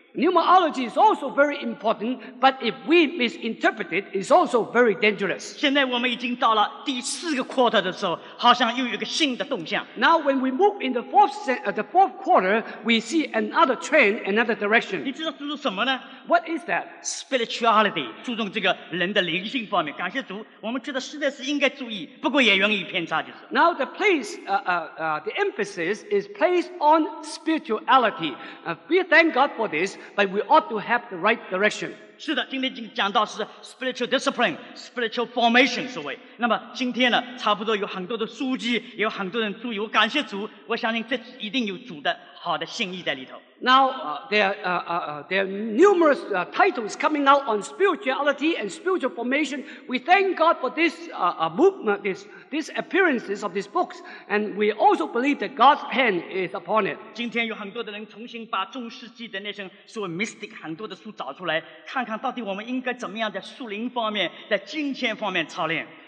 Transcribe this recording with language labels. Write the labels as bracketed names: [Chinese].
[English] Pneumology is also very important, but if we misinterpret it, it's also very dangerous. [Chinese] 现在我们已经到了第四个 quarter 的时候，好像又有一个新的动向。 [English] Now when we move in the fourth quarter, we see another trend, another direction. 你知道注重什么呢？ What is that? [Chinese] Spirituality, 注重这个人的灵性方面。感谢主，我们觉得实在是应该注意，不过也容易偏差就是。 [English] Now the emphasis is placed on spirituality. We thank God for this. But we ought to have the right direction. [Chinese] 是的，今天已经讲到是 spiritual discipline, spiritual formation, 所谓。那么今天呢，差不多有很多的书籍，也有很多人注意。我感谢主，我相信这一定有主的好的心意在里头。 [English] Now, there are numerous titles coming out on spirituality and spiritual formation. We thank God for this movement, these appearances of these books, and we also believe that God's hand is upon it. [Chinese] 今天有很多的人重新把中世纪的那些所谓 mystic 很多的书找出来，看看到底我们应该怎么样在属灵方面、在金钱方面操练。